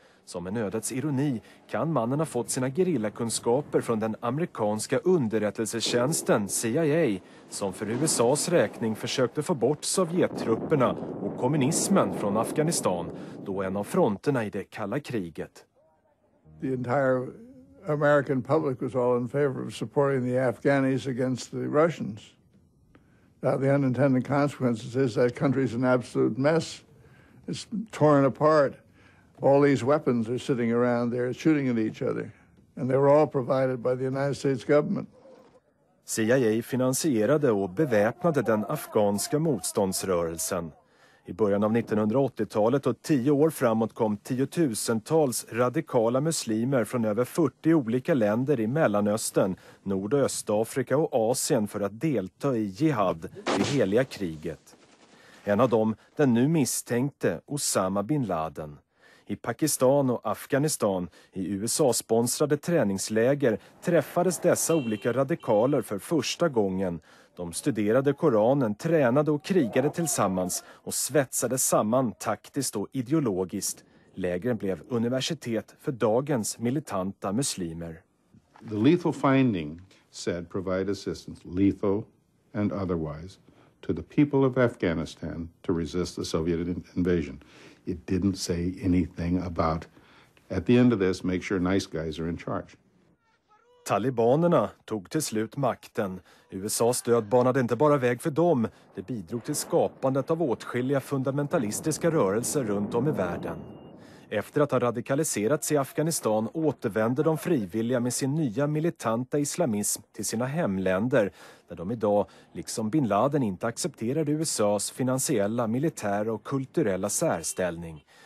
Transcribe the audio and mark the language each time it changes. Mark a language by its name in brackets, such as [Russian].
[Swedish] Som en ödets ironi kan mannen ha fått sina gerillakunskaper från den amerikanska underrättelsetjänsten CIA som för USAs räkning försökte få bort sovjettrupperna och kommunismen från Afghanistan, då en av fronterna i det kalla kriget. [English] The entire American public was all in favor of supporting the Afghanis against the Russians. The unintended consequences is that country's an absolute mess. It's torn apart. All these weapons are sitting around there shooting at each other. And they were all provided by the United States government. [Swedish] CIA finansierade och beväpnade den afghanska motståndsrörelsen. I början av 1980-talet och 10 år framåt kom tiotusentals radikala muslimer från över 40 olika länder i Mellanöstern, Nord- och Östafrika och Asien för att delta i jihad, det heliga kriget. En av dem, den nu misstänkte Osama bin Laden. I Pakistan och Afghanistan, i USA-sponsrade träningsläger, träffades dessa olika radikaler för första gången. De studerade Koranen, tränade och krigade tillsammans och svetsade samman taktiskt och ideologiskt. Lägren blev universitet för dagens militanta muslimer. [English] The lethal finding said provide assistance, lethal and otherwise, to the people of Afghanistan to resist the Soviet invasion. It didn't say anything about, at the end of this, make sure nice guys are in charge. [Swedish] Talibanerna tog till slut makten. USAs stöd banade inte bara väg för dem. Det bidrog till skapandet av åtskilliga fundamentalistiska rörelser runt om i världen. Efter att ha radikaliserats i Afghanistan återvände de frivilliga med sin nya militanta islamism till sina hemländer, där de idag, liksom bin Laden, inte accepterade USAs finansiella, militära och kulturella särställning.